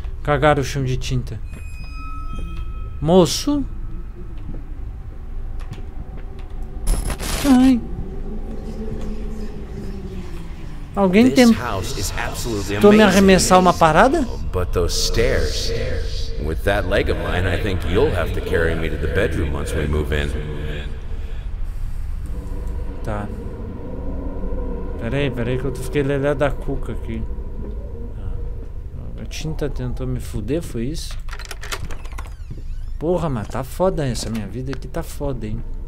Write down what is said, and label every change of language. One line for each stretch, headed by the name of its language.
Portuguese: Cagaram o chão de tinta. Moço? Ai. Alguém tem... Tô me arremessar uma parada?
English: But those stairs. With that leg of mine, I think you'll have to carry me to the bedroom once we move in.
Portuguese: Tá. Peraí que eu fiquei lelé da cuca aqui. A tinta tentou me fuder, foi isso? Porra, mas tá foda essa minha vida aqui, tá foda, hein?